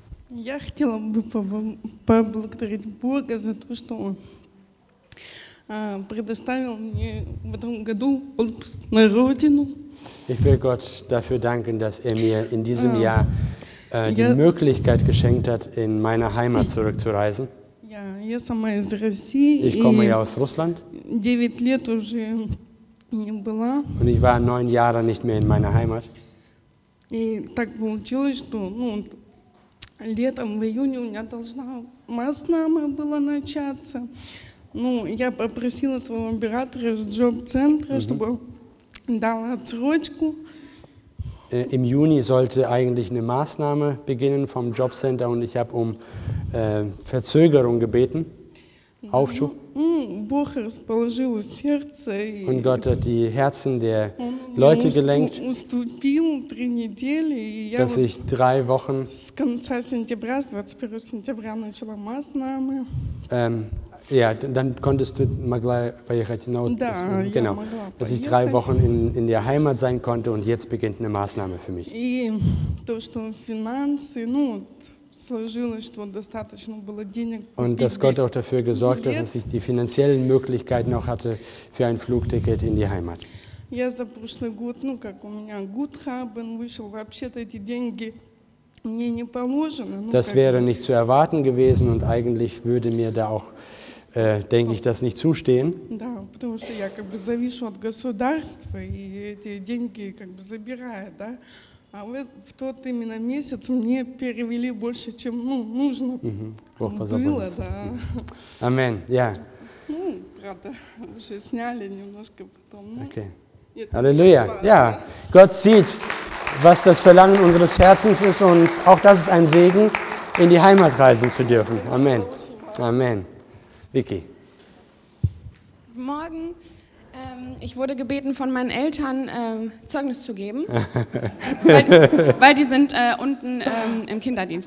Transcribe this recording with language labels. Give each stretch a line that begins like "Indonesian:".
Russian: Я хотела бы поблагодарить Бога за то, что Он предоставил мне в этом году отпуск на родину.
German: Ich will Gott dafür danken, dass er mir in diesem Jahr die Möglichkeit geschenkt hat, in meine Heimat zurückzureisen.
Russian: Ja, я сама из России.
German: Ich komme ja aus Russland.
Russian: 9 лет уже не была.
German: Und ich war 9 Jahre nicht mehr in meiner Heimat.
Russian: И так получилось, что, ну, летом в июне у меня должна Маснама была начаться. Ну, я попросила своего оператора из джоб-центра, mm-hmm. чтобы дал отсрочку.
German: Im Juni sollte eigentlich eine Maßnahme beginnen vom Jobcenter und ich habe um Verzögerung gebeten, Aufschub.
Russian: Бог расположил сердце.
German: Und Gott hat die Herzen der Leute gelenkt,
Russian: уступил 3 недели, и я
German: dass ich 3 Wochen
Russian: с конца сентября, с 21 сентября начала Maßnahme.
German: Ja, dann konntest du
Russian: могла поехать на отпуск. Да,
German: genau. Dass ich 3 Wochen in der Heimat sein konnte und jetzt beginnt eine Maßnahme für mich.
Russian: И то, что финансы, ну, сложилось, что достаточно было денег.
German: Und dass Gott auch dafür gesorgt hat, dass ich die finanziellen Möglichkeiten noch hatte für ein Flugticket in die Heimat.
Russian: Я за прошлый год, ну, как у меня Guthaben вышел, вообще-то эти деньги мне не положено.
German: Das wäre nicht zu erwarten gewesen und eigentlich würde mir da auch, denke ich, das nicht zustehen.
Russian: Да, потому что я как бы завишу от государства и эти деньги как бы забирают, да? А вот в тот именно месяц мне перевели больше, чем, ну, нужно было, да. Амин, я. Ну, правда, уже сняли немножко потом. Окей. Аллилуйя. Я.
German: Gott sieht, was das Verlangen unseres Herzens ist und auch das ist ein Segen, in die Heimat reisen zu dürfen. Amen. Amen. Vicky. Morgen. Ich wurde gebeten, von meinen Eltern Zeugnis zu geben, weil die sind unten im Kinderdienst.